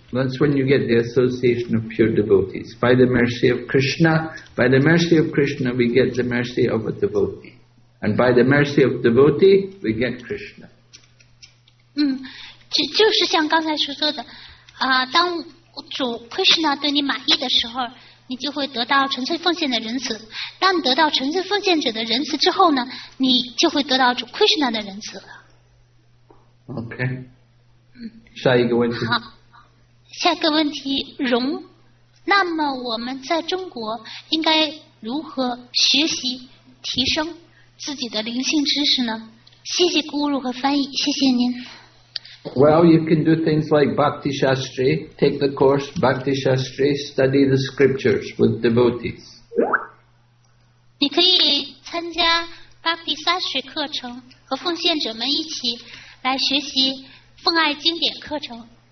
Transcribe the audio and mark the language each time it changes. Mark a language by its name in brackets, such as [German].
[English] That's when you get the association of pure devotees. By the mercy of Krishna, by the mercy of Krishna, we get the mercy of a devotee. And by the mercy of devotee, we get Krishna. [Chinese] 就是像刚才说的，当主 Krishna 对你满意的时候，你就会得到纯粹奉献的仁慈。当你得到纯粹奉献者的仁慈之后呢，你就会得到主 Krishna 的仁慈了。 OK。 下一个问题。好，下一个问题，荣。那么我们在中国应该如何学习提升自己的灵性知识呢？谢谢咕噜和翻译，谢谢您。 [English] Well, you can do things like Bhakti Shastri, take the course Bhakti Shastri, study the scriptures with devotees. [Chinese] 你可以参加 Bhakti Shastri 课程，和奉献者们一起来学习奉爱经典课程。